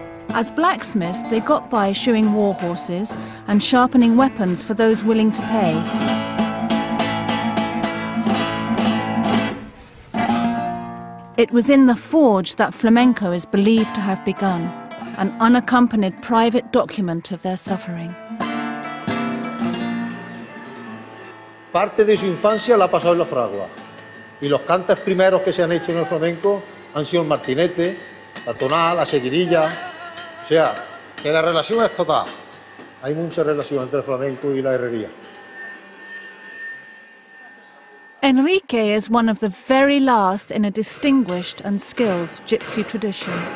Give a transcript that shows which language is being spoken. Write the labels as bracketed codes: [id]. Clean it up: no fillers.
[en] As blacksmiths, they got by shoeing war horses and sharpening weapons for those willing to pay. It was in the forge that flamenco is believed to have begun, an unaccompanied private document of their suffering. [es] Parte de su infancia la ha pasado en la fragua. Y los cantes primeros que se han hecho en el flamenco han sido el martinete, la tonal, la seguidilla. O sea, que la relación es total. Hay mucha relación entre el flamenco y la herrería. [en] Enrique is one of the very last in a distinguished and skilled gypsy tradition.